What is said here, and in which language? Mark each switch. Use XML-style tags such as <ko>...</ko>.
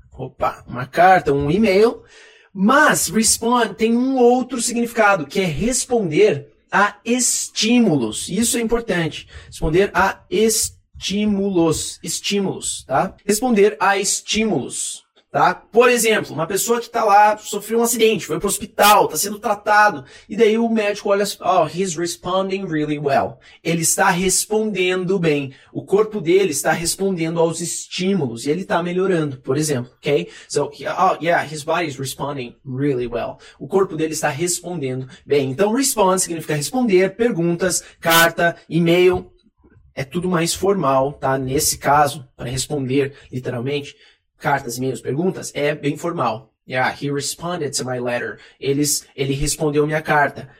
<pt>Opa, uma carta, um e-mail. Mas respond tem um outro significado, que é responder a estímulos. Isso é importante. Responder a estímulos. Estímulos, tá? Responder a estímulos, tá? Por exemplo, uma pessoa que está lá, sofreu um acidente, foi para o hospital, está sendo tratado. E daí o médico olha, oh,</pt> <en>he's responding really well.</en> <pt>Ele está respondendo bem. O corpo dele está respondendo aos estímulos e ele está melhorando, por exemplo, ok?</pt> <en>So, oh, yeah, his body is responding really well.</en> <pt>O corpo dele está respondendo bem. Então, respond significa responder, perguntas, carta, e-mail, é tudo mais formal, tá? Nesse caso, para responder literalmente, cartas, e-mails, perguntas, é bem formal.</pt> <en>Yeah, he responded to my letter.</en> <pt>Ele respondeu minha carta.</pt>